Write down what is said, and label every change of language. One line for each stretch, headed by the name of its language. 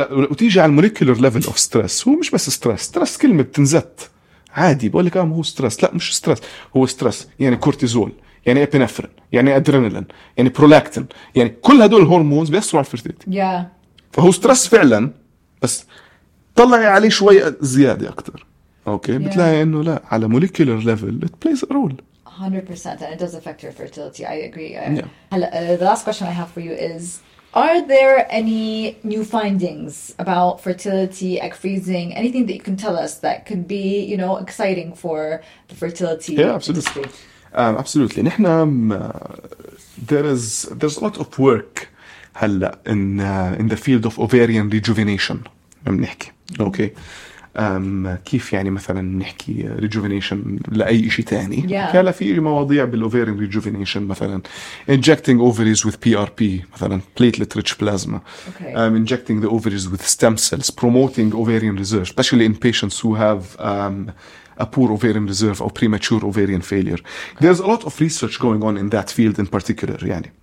Arabic: وتيجي على
English: molecular level of stress,
Arabic: هو مش بس stress كلمة بتنزت عادي بقول لك هو stress, لا مش stress, هو stress يعني كورتيزول, يعني epinephrine, يعني أدرينالين, يعني prolactin, يعني كل هدول هرمونز بيأثروا على الفيرتيليتي.
English: Yeah.
Arabic: فهو stress فعلاً بس طلعي عليه شوي زيادة أكتر.
English: Okay. Yeah.
Arabic: بتلاقي أنه لا, على
English: molecular level it plays a role. 100%. And it does affect your fertility. I agree. Yeah. The last question I have for you is, Are there any new findings about fertility, egg freezing, anything that you can tell us that could be, you know, exciting for the fertility industry? Yeah, absolutely. Absolutely. There's a lot of work in the field of ovarian rejuvenation. Okay.
Arabic: كيف يعني مثلا نحكي rejuvenation لأي شيء تاني كان في مواضيع
English: بالovarian rejuvenation مثلا injecting ovaries with PRP مثلا platelet rich plasma injecting the ovaries with stem cells promoting ovarian reserve especially in patients who have a poor ovarian reserve or premature ovarian failure there's a lot of research going on in that field in particular يعني